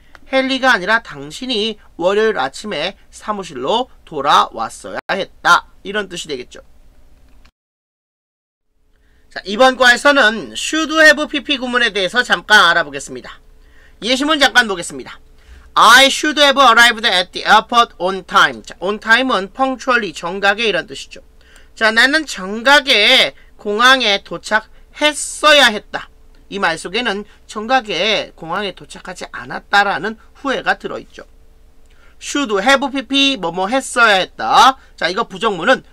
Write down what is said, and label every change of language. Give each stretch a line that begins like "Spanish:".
Korean: 헨리가 아니라 당신이 월요일 아침에 사무실로 돌아왔어야 했다. 이런 뜻이 되겠죠. 자, 이번 과에서는 should have PP 구문에 대해서 잠깐 알아보겠습니다. 예시문 잠깐 보겠습니다.
English: I should have arrived at the airport on time.
Korean: 자, on time은 punctually, 정각에 이런 뜻이죠. 자, 나는 정각에 공항에 도착했어야 했다. 이 말 속에는 정각에 공항에 도착하지 않았다라는 후회가 들어있죠. should have PP 뭐뭐 했어야 했다. 자, 이거 부정문은